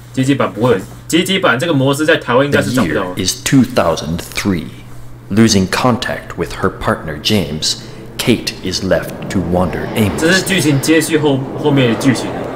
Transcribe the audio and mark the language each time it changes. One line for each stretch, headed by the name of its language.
Chinese: 街机版不会，街机版这个模式在台湾应该是找不到。
English: The year is 2003. Losing contact with her partner James, Kate is left to wander aimlessly.
Chinese: 这是剧情接续后面的剧情。